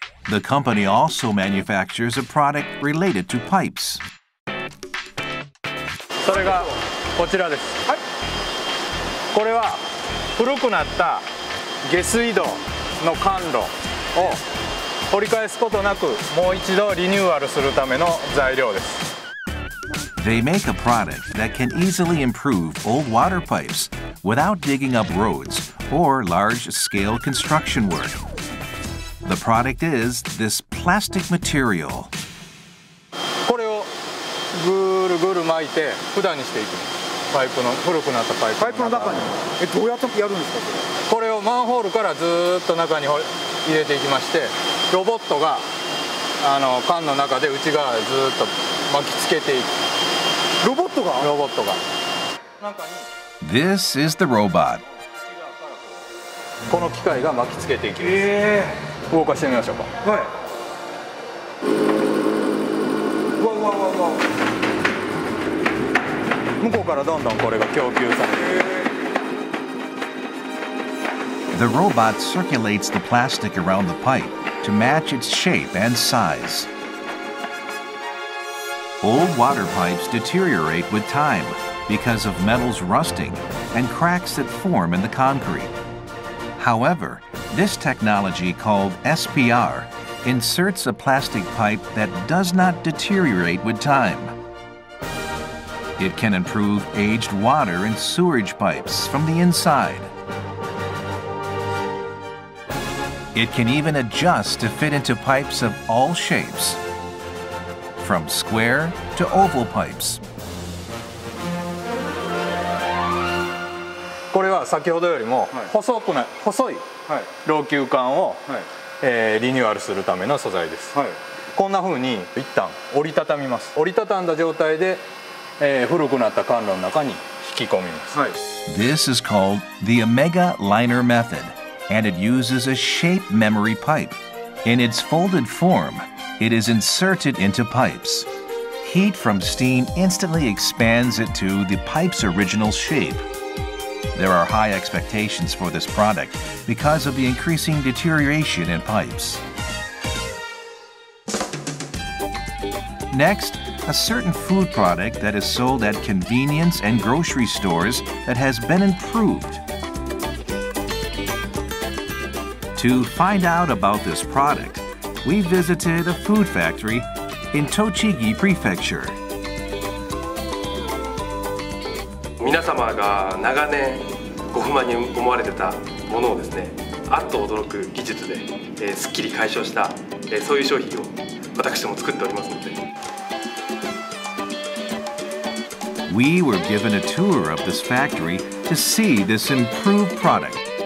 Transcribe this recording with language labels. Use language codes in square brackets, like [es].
[en] The company also manufactures a product related to pipes. [ja] それがこちらです。はい。これは古くなった下水道の管路を掘り返すことなくもう一度リニューアルするための材料です。 [en] They make a product that can easily improve old water pipes without digging up roads or large-scale construction work. The product is this plastic material. [ja] これをぐるぐる巻いて管にしていきます。パイプの古くなったパイプの中に。え、どうやってやるんですか？これをマンホールからずっと中に入れていきまして、ロボットがあの缶の中で内側でずっと巻きつけていく。ロボットが。 [en] This is the robot. [ja] この機械が巻きつけていきます。動かしてみましょうか。はい。わわわわ。向こうからどんどんこれが供給されて。 [en] The robot circulates the plastic around the pipe to match its shape and size. Old water pipes deteriorate with time because of metals rusting and cracks that form in the concrete. However, this technology called SPR inserts a plastic pipe that does not deteriorate with time. It can improve aged water and sewage pipes from the inside. It can even adjust to fit into pipes of all shapes. From square to oval pipes. [ja] これは先ほどよりも細くない、はい、細い老朽管を、はい、リニューアルするための素材です、はい、こんな風に一旦折りたたみます。折りたたんだ状態で、古くなった管路の中に引き込みます、はい、 [en] This is called the Omega Liner Method and it uses a shape memory pipe. In its folded formIt is inserted into pipes. Heat from steam instantly expands it to the pipe's original shape. There are high expectations for this product because of the increasing deterioration in pipes. Next, a certain food product that is sold at convenience and grocery stores that has been improved. To find out about this product,We visited a food factory in Tochigi Prefecture. [ja] 皆様が長年ご不満に思われてたものをですね、あっと驚く技術で、すっきり解消した、そういう商品を私ども作っておりますので。 [en] We were given a tour of this factory to see this improved product.